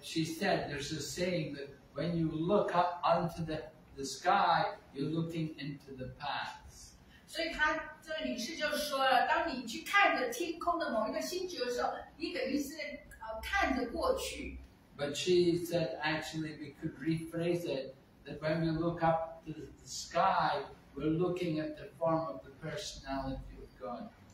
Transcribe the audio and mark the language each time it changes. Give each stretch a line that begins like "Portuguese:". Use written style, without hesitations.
English: she said, there's a saying that when you look up onto the sky, you're looking into the past.
Chinese: 所以她这个女士就说了，当你去看着天空的某一个星球的时候，你等于是看着过去。But
English: she said, actually, we could rephrase it that when we look up to the sky, we're looking at the form of the personality of God.